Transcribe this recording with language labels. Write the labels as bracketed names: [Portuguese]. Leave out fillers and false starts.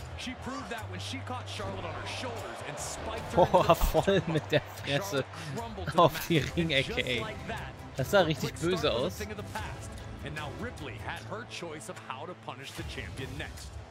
[English] She proved that when she caught Charlotte on her shoulders and spiked her. [German] Boah, voll mit der Fresse auf die Ringecke, ey. Das sah richtig böse aus. [English] And now Ripley had her choice of how to punish the champion next.